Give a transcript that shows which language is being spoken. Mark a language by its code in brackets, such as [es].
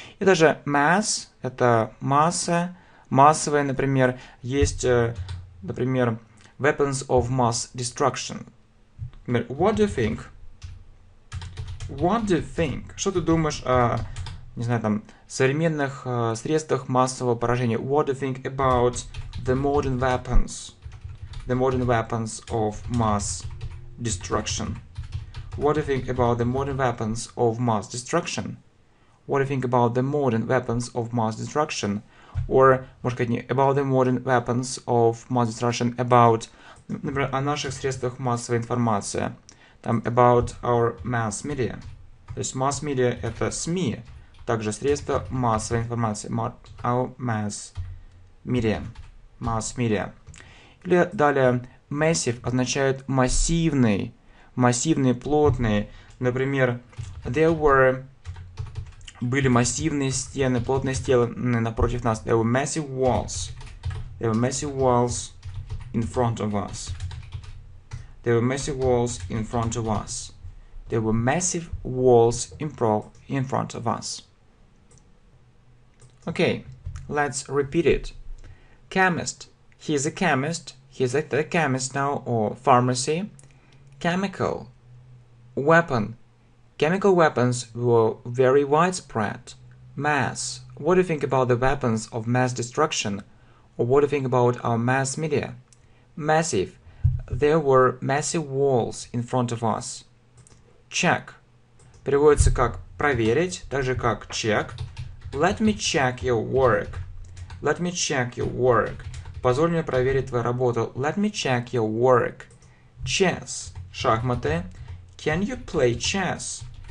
[ru] И даже mass, это масса, массовые, например, есть, например, [en] weapons of mass destruction. [ru] Например, [en] what do you think? What do you think? [ru] Что ты думаешь о, не знаю, там, современных средствах массового поражения? [en] What do you think about the modern weapons of mass destruction? What do you think about the modern weapons of mass destruction? What do you think about the modern weapons of mass destruction? Or, [ru] может быть, не [en] about the modern weapons of mass destruction, about, [ru] например, о наших средствах массовой информации. Там, [en] about our mass media. [ru] То есть, mass media – это СМИ, также средства массовой информации. [en] Our mass media. Mass media. [ru] Или далее, massive означает массивный. Массивные, плотные. Например, [en] there were... [ru] Были массивные стены, плотные стены напротив нас. [en] There were massive walls. There were massive walls in front of us. There were massive walls in front of us. There were massive walls in front of us. Okay, let's repeat it. Chemist. He is a chemist. He is a chemist now, or pharmacy. Chemical weapon. Chemical weapons were very widespread. Mass. What do you think about the weapons of mass destruction? Or what do you think about our mass media? Massive. There were massive walls in front of us. Check. [ru] Переводится как проверить, так же как check. [en] Let me check your work. Let me check your work. [ru] Позволь мне проверить твою работу. [en] Let me check your work. Chess. [ru] Шахматы. [en] Can you play chess?